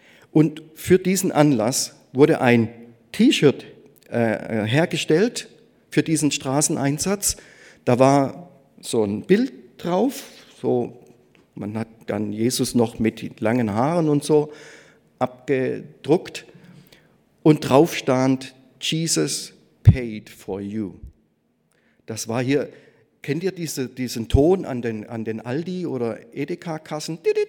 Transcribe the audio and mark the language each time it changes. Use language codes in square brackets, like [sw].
[de] Und für diesen Anlass wurde ein T-Shirt hergestellt für diesen Straßeneinsatz. Da war so ein Bild drauf, so man hat dann Jesus noch mit langen Haaren und so abgedruckt. Und drauf stand, [en] Jesus paid for you. [de] Das war hier, kennt ihr diesen Ton an den Aldi- oder Edeka-Kassen?